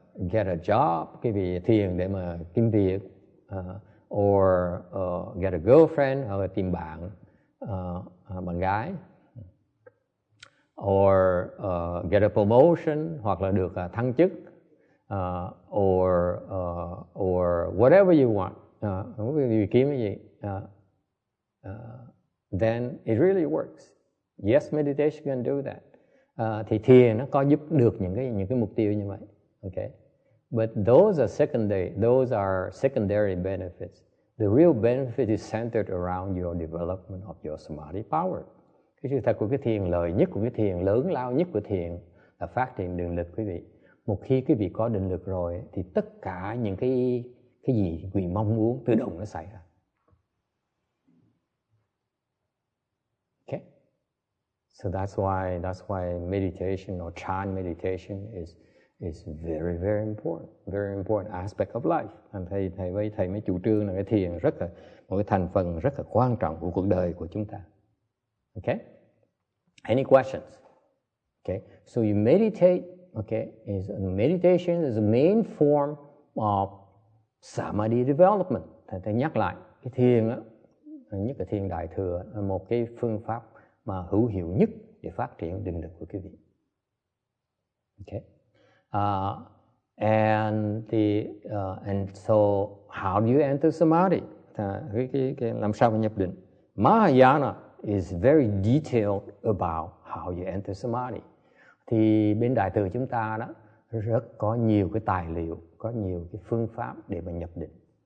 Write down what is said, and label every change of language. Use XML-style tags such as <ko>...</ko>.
<en>get a job,</en> <vi>quý vị thiền để mà kiếm việc,</vi> <en>or get a girlfriend,</en> <vi>hoặc là tìm bạn, bạn gái,</vi> <en>or get a promotion,</en> <vi>hoặc là được thăng chức.</vi> <en>Or whatever you want, then it really works. Yes, meditation can do that.</en> <vi>Thì thiền nó có giúp được những cái mục tiêu như vậy.</vi> <en>Okay, but those are secondary benefits. The real benefit is centered around your development of your samadhi power.</en> <vi>Cái sự thật của cái thiền, lợi nhất của cái thiền, lớn lao nhất của thiền là phát triển định lực, quý vị. Một khi quý vị có định lực rồi thì tất cả những cái gì quý vị mong muốn tự động nó xảy ra.</vi> <en>Okay. So that's why meditation or chan meditation is very very important, very important aspect of life. And</en> <vi>thầy mới chủ trương là cái thiền rất là một cái thành phần rất là quan trọng của cuộc đời của chúng ta.</vi> <en>Okay? Any questions? Okay. So you meditate. Okay, is meditation is the main form of samadhi development.</en> <vi>Thầy nhắc lại, cái thiền á, nhất là thiền đại thừa, là một cái phương pháp mà hữu hiệu nhất để phát triển định lực của quý vị.</vi> <en>Okay, and so how do you enter samadhi?</en> <vi>Cái làm sao mà nhập định?</vi> <en>Mahayana is very detailed about how you enter samadhi.</en> <vi>Thì bên đại thừa chúng ta đó rất có nhiều cái tài liệu, có nhiều cái phương pháp để mà nhập định.</vi>